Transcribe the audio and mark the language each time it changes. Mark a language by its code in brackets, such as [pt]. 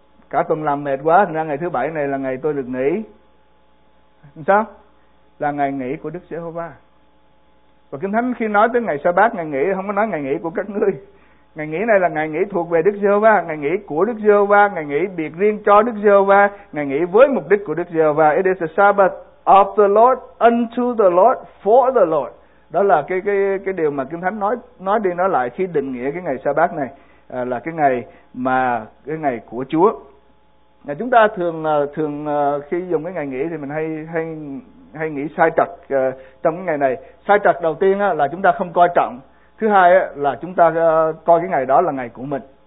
[vi] Cả tuần làm mệt quá, thành ra ngày thứ bảy này là ngày tôi được nghỉ sao, là ngày nghỉ của Đức Giê-hô-va. Và kinh thánh khi nói tới ngày Sa-bát, ngày nghỉ, không có nói ngày nghỉ của các ngươi. Ngày nghỉ này là ngày nghỉ thuộc về Đức Giê-hô-va, ngày nghỉ của Đức Giê-hô-va, ngày nghỉ biệt riêng cho Đức Giê-hô-va, ngày nghỉ với mục đích của Đức Giê-hô-va. [en] It is the Sabbath of the Lord, unto the Lord, for the Lord. [vi] Đó là cái điều mà Kinh Thánh nói đi nói lại khi định nghĩa cái ngày Sa-bát này, là cái ngày của Chúa. Và chúng ta thường khi dùng cái ngày nghỉ thì mình hay nghĩ sai trật trong cái ngày này. Sai trật đầu tiên là chúng ta không coi trọng. Thứ hai là chúng ta coi cái ngày đó là ngày của mình.